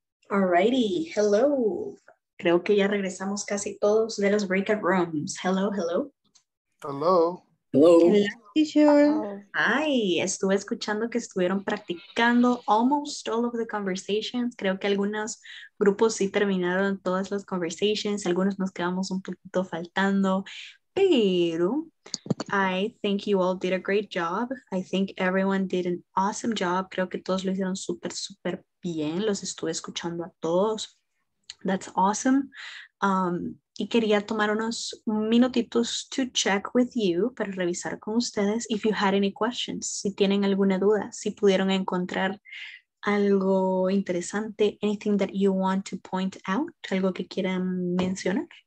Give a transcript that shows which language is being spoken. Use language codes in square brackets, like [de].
[en] Alrighty, hello. [es] Creo que ya regresamos casi todos de los breakout rooms. [en] Hello, hello. Hello. Hello. Hi, [es] estuve escuchando que estuvieron practicando [en] almost all of the conversations. [es] Creo que algunos grupos sí terminaron todas las conversations. Algunos nos quedamos un poquito faltando. [en] Pero I think you all did a great job. I think everyone did an awesome job. [es] Creo que todos lo hicieron súper, súper bien. Los estuve escuchando a todos. [en] That's awesome. [es] Y quería tomar unos minutitos [en] to check with you, [es] para revisar con ustedes, [en] if you had any questions, [es] si tienen alguna duda, si pudieron encontrar algo interesante, [en] anything that you want to point out, [es] algo que quieran mencionar.